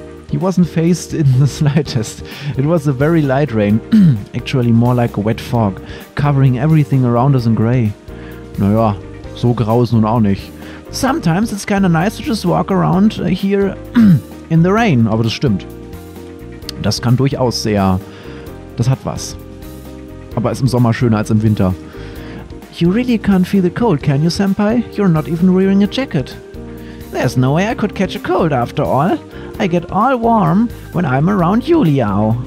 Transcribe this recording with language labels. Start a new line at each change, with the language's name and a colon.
English: He wasn't fazed in the slightest. It was a very light rain, actually more like a wet fog, covering everything around us in gray.
German: Naja, so grau ist nun auch nicht.
English: Sometimes it's kinda nice to just walk around here in the rain.
German: Aber das stimmt. Das kann durchaus sehr... Das hat was. Aber ist im Sommer schöner als im Winter.
English: You really can't feel the cold, can you, Senpai? You're not even wearing a jacket. There's no way I could catch a cold, after all. I get all warm when I'm around you, Liao.